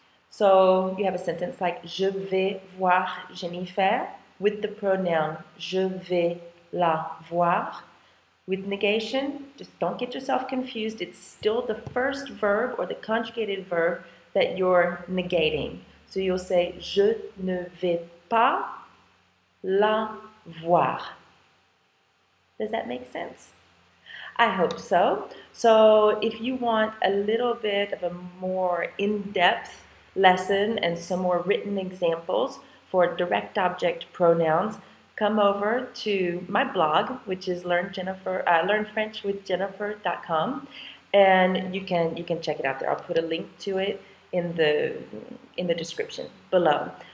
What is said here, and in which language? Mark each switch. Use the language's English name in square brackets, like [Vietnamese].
[English] So you have a sentence like, [French] je vais voir Jennifer, [English] with the pronoun, [French] je vais la voir. [English] With negation, just don't get yourself confused. It's still the first verb or the conjugated verb that you're negating. So you'll say, [French] je ne vais pas la voir. [English] Does that make sense? I hope so. So if you want a little bit of a more in-depth lesson and some more written examples for direct object pronouns, come over to my blog, which is learnfrenchwithjennifer.com, and you can check it out there. I'll put a link to it in the description below.